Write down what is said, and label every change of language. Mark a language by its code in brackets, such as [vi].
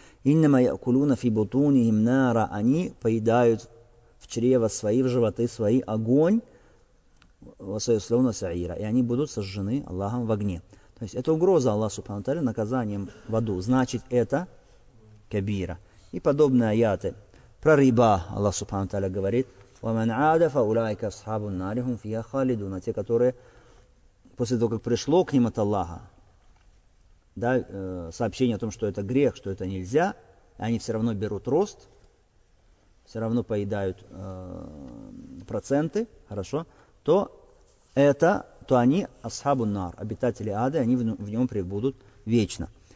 [ru] «Иннама якулуна фибутуни им нара». Они поедают в чрево свои, в животы свои огонь, «Васаюсловна саира». И они будут сожжены Аллахом в огне. То есть это угроза Аллаха Субхану Тааля наказанием в аду. Значит, это кабира. И подобные аяты. Про риба Аллах Субхану Тааля говорит, [ar] وَمَنْ عَادَفَ أُولَٰئِكَ أَصْحَابُ النَّارِ هُمْ فِيهَا خَالِدُونَ. [ru] Те, которые после того, как пришло к ним от Аллаха, да, сообщение о том, что это грех, что это нельзя, они все равно берут рост, все равно поедают проценты, хорошо, то это, то они [ar] أَصْحَابُ النَّارِ, [ru] обитатели ада, они в нем пребудут вечно.